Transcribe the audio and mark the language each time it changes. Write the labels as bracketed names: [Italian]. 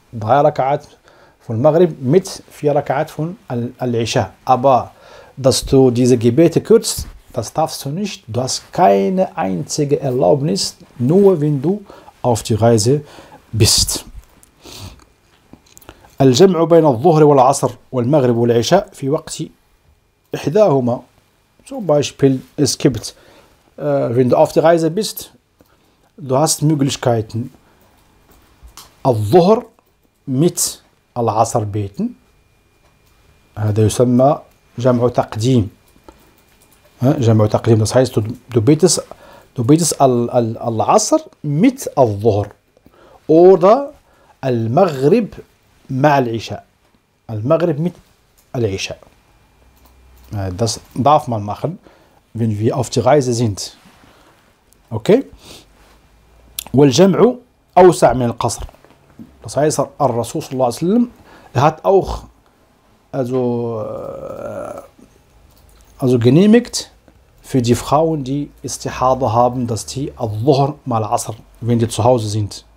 [German] 3 Rakat von Maghrib mit 4 Rakat von Al-Isha. Aber dass du diese Gebete kürzt, das darfst du nicht. Du hast keine einzige Erlaubnis, nur wenn du auf die Reise bist. [Arabic] الجمع بين الظهر والعصر والمغرب والعشاء في وقت إحداهما. [German] Zum Beispiel, es gibt, wenn du auf die Reise bist, du hast Möglichkeiten, الظهر mit العصر beten. [Arabic] هذا يسمى جمع تقديم. جمع تقديم, [German] das heißt, du betest العصر mit الظهر. [Arabic] Oder المغرب مع العشاء. المغرب mit العشاء. [German] Das darf man machen, wenn wir auf die Reise sind. [Arabic] Okay? والجمع أوسع من القصر. [German] Das heißt, الرسول صلى الله عليه وسلم hat auch also genehmigt für die Frauen, die Istihada haben, dass die [Arabic] الظهر مع العصر, [German] wenn die zu Hause sind.